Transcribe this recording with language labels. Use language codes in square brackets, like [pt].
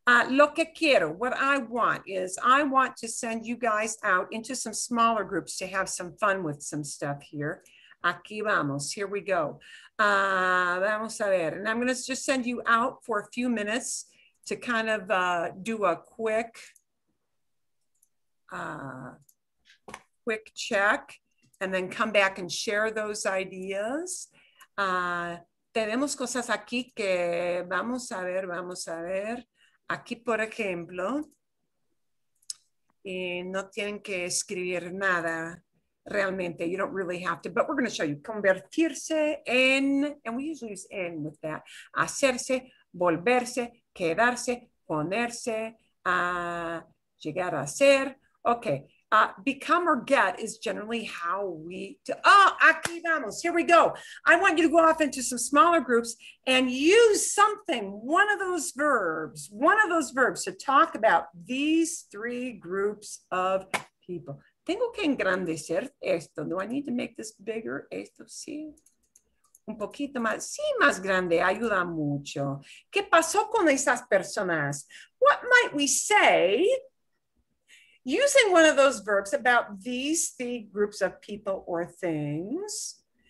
[es] Lo que quiero, [en] what I want is I want to send you guys out into some smaller groups to have some fun with some stuff here. [es] Aquí vamos. [en] Here we go. [es] Vamos a ver. [en] And I'm going to just send you out for a few minutes to kind of do a quick quick check and then come back and share those ideas. [es] Tenemos cosas aquí que vamos a ver, vamos a ver. Aquí, por ejemplo, no tienen que escribir nada realmente. [en] You don't really have to, but we're going to show you. Convertirse en, and we usually use en with that. [es] Hacerse, volverse, quedarse, ponerse, llegar a ser. Okay. [en] Become or get is generally how we, [es] aquí vamos, [en] here we go. I want you to go off into some smaller groups and use something, one of those verbs to talk about these three groups of people. [es] Tengo que engrandecer esto, [en] do I need to make this bigger? [es] Esto sí, un poquito más, sí, más grande, ayuda mucho. ¿Qué pasó con esas personas? [en] What might we say? Using one of those verbs about these three groups of people or things.